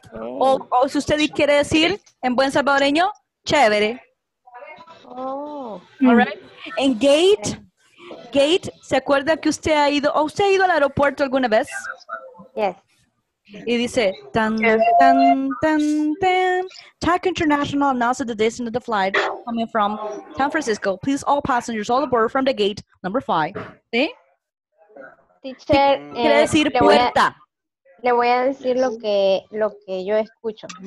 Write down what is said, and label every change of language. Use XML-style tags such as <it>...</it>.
<es>O si usted quiere decir en buen salvadoreño, chévere. Oh.</es> <en>All right.</en> <es>En gate, gate, ¿se acuerda que usted ha ido, o usted ha ido al aeropuerto alguna vez?</es> <en>Yes.</en> <es>Y dice, tan, tan, tan, tan.</es> <en>TAC International announced the destination of the flight coming from San Francisco. Please, all passengers, all aboard from the gate number 5.</en> <es>¿Sí?</es> <en>Teacher,</en> <es>quiere decir puerta. Le voy a decir lo que yo escucho.</es>